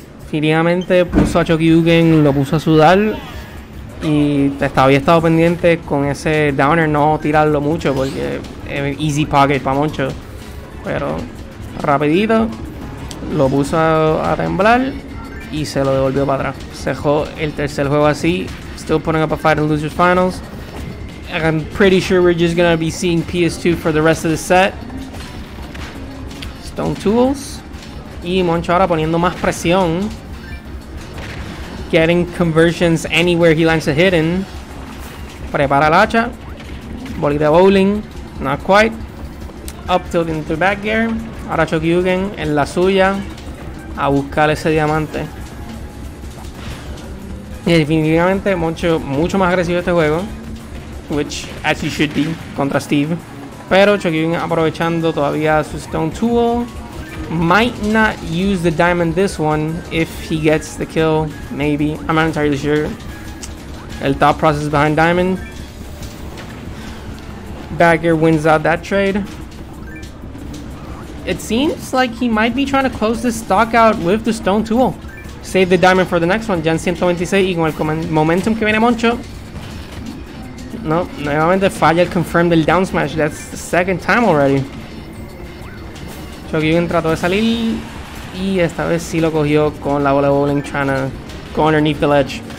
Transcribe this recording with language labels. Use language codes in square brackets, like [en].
[es] Finalmente puso a Chokeyuken, lo puso a sudar. Y había estado pendiente con ese downer no tirarlo mucho porque es easy pocket para Moncho. Pero rapidito lo puso a temblar y se lo devolvió para atrás. Se dejó el tercer juego así. [en] Still putting up a fight in Losers Finals. I'm pretty sure we're just going to be seeing PS2 for the rest of the set. [es] Stone Tools. Y Moncho ahora poniendo más presión. [en] Getting conversions anywhere he lands a hidden. [es] Prepara el hacha. Bolita de bowling. [en] Not quite. Up tilt into back gear. [es] Ahora Chokeyuken en la suya. A buscar ese diamante. Y definitivamente Moncho mucho más agresivo este juego. [en] Which, as you should be, [es] contra Steve. Pero Chokeyuken aprovechando todavía su stone tool. [en] Might not use the diamond this one if he gets the kill, maybe. I'm not entirely sure. El thought process behind diamond. Bagger wins out that trade. It seems like he might be trying to close this stock out with the stone tool. Save the diamond for the next one. [es] Gen 126 y con el momentum que viene Moncho. No, nuevamente falla el confirm del down smash. [en] That's the second time already. [es] Chokeyuken trató de salir y esta vez sí lo cogió con la bola de bowling [en] trying to go underneath the ledge.